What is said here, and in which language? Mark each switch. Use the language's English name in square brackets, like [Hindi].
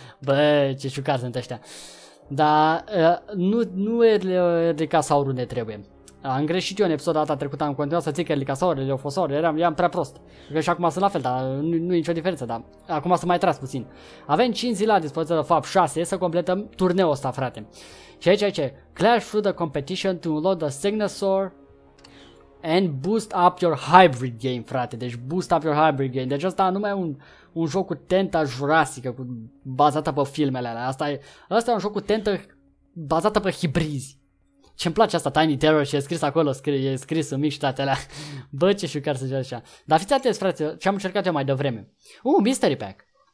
[Romanian] Bă, ce șucați sunt ăștia. Dar nu Erlicasaurul ne trebuie. Am greșit eu în episodul data trecută, am continuat să țin că Erlicasaurul, Erliofosaurul, eram prea prost. Că și acum sunt la fel, dar nu e nicio diferență, dar acum sunt mai tras puțin. Avem 5 zile la dispoziție, de fapt 6, să completăm turneul ăsta, frate. Și aici, [English] clash through the competition to unload the Stegosaur and boost up your hybrid game, frate. Deci boost up your hybrid game. [Romanian] Deci asta nu mai e un joc cu tenta jurasică, bazată pe filmele alea. Asta e un joc cu tentă bazată pe hibrizi. Ce-mi place asta, Tiny Terror, și e scris acolo, e scris în mic și toate alea. Bă, ce șucar să zice așa. Dar fiți atenți, frate, ce am încercat eu mai devreme. Mystery Pack.